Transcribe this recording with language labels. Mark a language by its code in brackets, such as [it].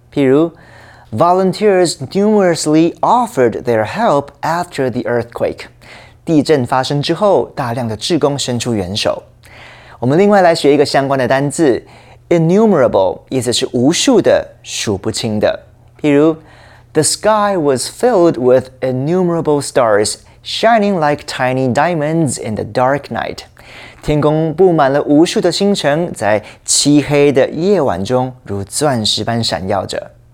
[zh] 譬如 [en] ，Volunteers numerously offered their help after the earthquake。 [zh] 地震发生之后，大量的志工伸出援手。我们另外来学一个相关的单字 ，innumerable， 意思是无数的、数不清的。譬如 [en] ，The sky was filled with innumerable stars, shining like tiny diamonds in the dark night。 [zh] 天空布满了无数的星辰，在漆黑的夜晚中，如钻石般闪耀着。